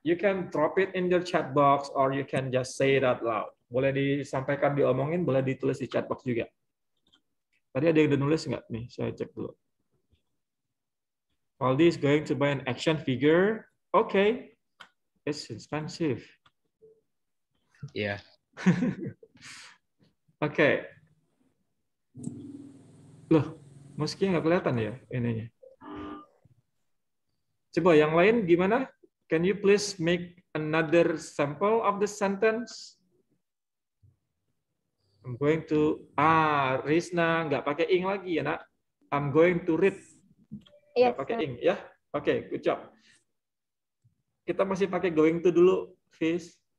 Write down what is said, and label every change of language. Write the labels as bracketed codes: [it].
[en] You can drop it in the chat box or you can just say it out loud. [id] Boleh disampaikan, diomongin, boleh ditulis di chat box juga. Tadi ada yang udah nulis nggak? Nih, saya cek dulu. [en] Aldi is going to buy an action figure. Okay. It's expensive. Yeah. Okay. [id] Loh, meski nggak kelihatan ya ininya. Coba yang lain gimana? [en] Can you please make another sample of the sentence? I'm going to... Rizna, [id] nggak pakai ing lagi ya, nak. [en] I'm going to read. Iya, yes, [id] pakai ing, ya. [en] Yeah? [id] Oke, [en] okay, good job. [id] Kita masih pakai going to dulu, Fizz.